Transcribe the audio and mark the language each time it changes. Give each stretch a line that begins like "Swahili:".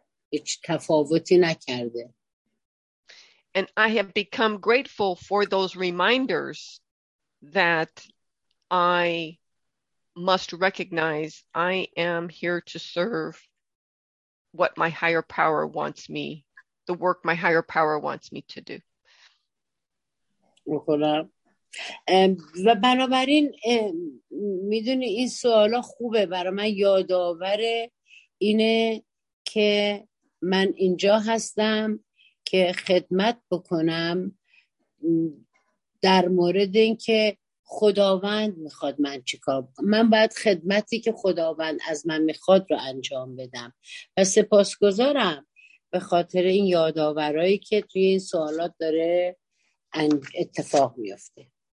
Persian: هیچ تفاوتی نکرده.
English: And I have become grateful for those reminders that I must recognize I am here to serve what my higher power wants me, the work my higher power wants me to do.
Persian: بخورم. و بنابراین میدونی این سوالا خوبه برای من یادآور اینه که من اینجا هستم که خدمت بکنم در مورد اینکه خداوند میخواد من چیکار من باید خدمتی که خداوند از من میخواد رو انجام بدم و سپاسگزارم به خاطر این یادآورایی که توی این سوالات داره اتفاق میفته.